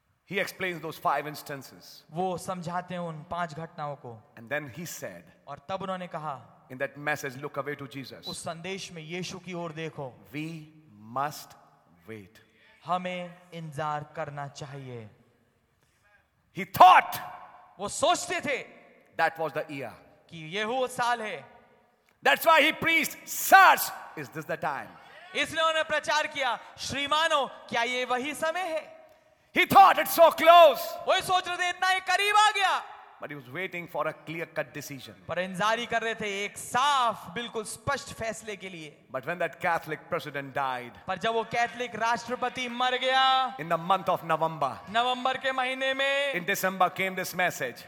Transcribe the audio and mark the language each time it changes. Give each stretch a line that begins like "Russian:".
English: He explains those five instances.
Hindi: वो समझाते हैं उन पांच घटनाओं को.
English: And then he said.
Hindi: और तब उन्होंने कहा.
English: In that message, look away to Jesus.
Hindi: उस संदेश में यीशु की ओर देखो.
English: We must wait.
Hindi: हमें इंतजार करना चाहिए.
English: He thought.
Hindi: वो सोचते थे.
English: That was the year.
Hindi: कि ये हो साल है.
English: That's why he preached. Search, is this the time?
Hindi: इसलिए उन्होंने प्रचार किया. श्रीमानो, क्या ये वही समय है?
English: He thought it's so close.
Hindi: वो ही सोच रहे थे इतना ही करीब आ गया.
English: But he was waiting for a clear-cut decision.
Hindi: पर इंतजारी कर रहे थे एक साफ, बिल्कुल स्पष्ट फैसले के लिए.
English: But when that Catholic president died.
Hindi: पर जब वो कैथोलिक राष्ट्रपति मर गया.
English: In the month of November.
Hindi: नवंबर के महीने में.
English: In December came this message.